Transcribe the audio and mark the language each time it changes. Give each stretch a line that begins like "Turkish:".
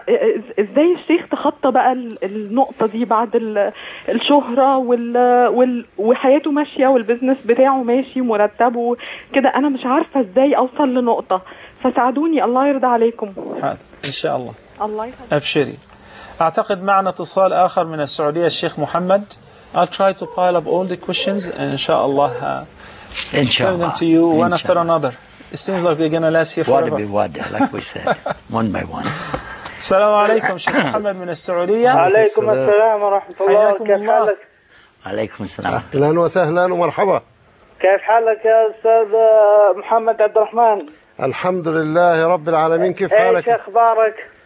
Arabic: فازاي الشيخ تخطى بقى النقطة دي بعد الشهرة وحياته ماشية والبزنس بتاعه ماشي مرتبه كده؟ انا مش عارفة ازاي اوصل لنقطة، فساعدوني الله يرضى عليكم. ان شاء الله. أبشري. أعتقد معنا اتصال آخر من السعودية الشيخ محمد.
English: I'll try to pile up all the questions and inshallah turn them to you one after another. It seems like we're gonna last here forever.
Arabic: Wada bi wada,
English: like we said, one by one.
Arabic: السلام عليكم شيخ محمد من السعودية. عليكم السلام ورحمة الله. كيف حالك؟ عليكم السلام. أهلا وسهلا ومرحبا. كيف حالك يا أستاذ محمد عبد الرحمن؟ الحمد لله رب العالمين. كيف حالك؟ إيش أخبارك؟